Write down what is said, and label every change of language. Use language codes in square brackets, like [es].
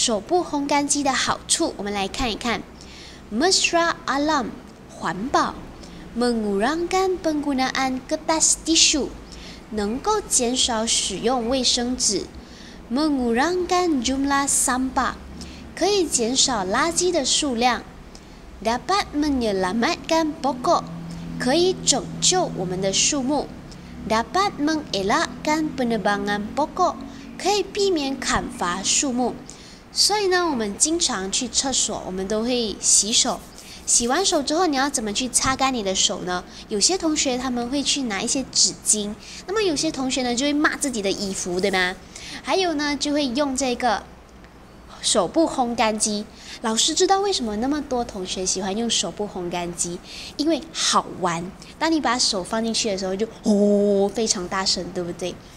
[zh] 这里呢有一些关于手部烘干机的好处，我们来看一看。 [ms] Mesra alam [zh] 环保 [ms] ，mengurangkan penggunaan kertas tisu [zh] 能够减少使用卫生纸 [ms] ，mengurangkan jumlah sampah [zh] 可以减少垃圾的数量 [ms] ，dapat menyelamatkan pokok [zh] 可以拯救我们的树木 [ms] ，dapat mengelakkan penebangan pokok。 [zh] 可以避免砍伐树木，所以呢，我们经常去厕所，我们都会洗手。洗完手之后，你要怎么去擦干你的手呢？有些同学他们会去拿一些纸巾，那么有些同学呢就会骂自己的衣服，对吗？还有呢，就会用这个手部烘干机。老师知道为什么那么多同学喜欢用手部烘干机？因为好玩。当你把手放进去的时候，就非常大声，对不对？